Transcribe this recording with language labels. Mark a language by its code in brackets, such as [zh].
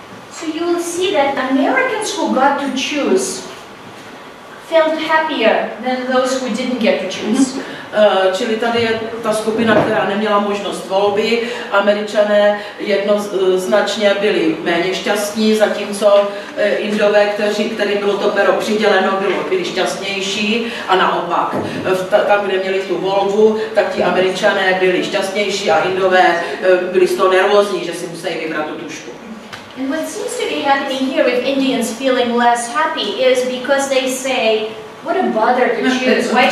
[en] So you will see that Americans who got to choose felt happier than those who didn't get to choose. [cs] Čili tady je ta skupina, která neměla možnost volby. Američané jednoznačně byli méně šťastní, zatímco Indové, kterým bylo to pero přiděleno, byli šťastnější. A naopak, tam, kde měli tu volbu, tak ti Američané byli šťastnější a Indové byli z toho nervózní, že si museli vybrat tu tušku. [en] And what seems to be happening here with Indians feeling less happy is because they say, what a bother to choose.